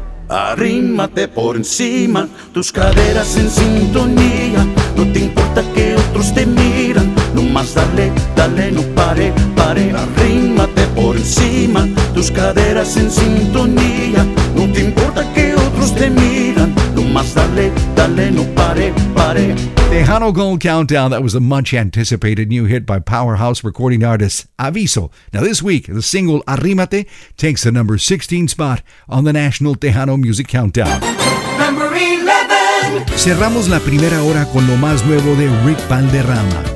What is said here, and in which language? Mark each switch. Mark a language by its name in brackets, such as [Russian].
[Spanish] Arrímate por encima, tus caderas en sintonía. No te importa que otros te miran. Nomás dale, dale, no pare, pare. Arrímate por encima, tus caderas en sintonía. No te importa que otros te miran. Nomás dale, dale, no pare, pare. [English] Tejano Gold Countdown, that was a much anticipated new hit by powerhouse recording artist Aviso. Now this week, the single Arrímate takes the number 16 spot on the National Tejano Music Countdown. Number 11! [Spanish] Cerramos la primera hora con lo más nuevo de Rick Valderrama.